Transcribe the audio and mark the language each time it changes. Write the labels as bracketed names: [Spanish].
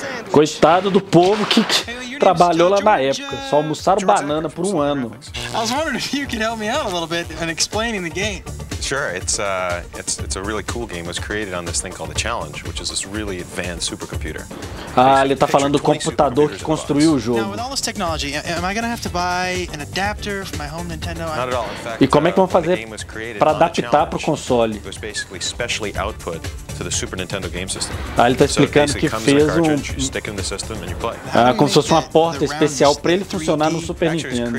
[Portuguese] Coitado do povo que trabalhou lá na época, só almoçaram banana por um ano. Eu estava perguntando se você poderia me ajudar um pouco e explicar o jogo. [English] Sure, it's a really cool game. It was created on this thing called the Challenge, which is this really advanced supercomputer. [Portuguese] Ah, ele tá falando do computador que construiu o jogo. [English] Now, with all this technology, am I gonna have to buy an adapter for my home Nintendo? Not at all. In fact, [Portuguese] e como é que vão fazer para adaptar pro console? [English] It was basically specially output to the Super Nintendo game system. [Portuguese] Ah, ele tá explicando que fez um como se fosse uma porta especial para ele funcionar no Super Nintendo.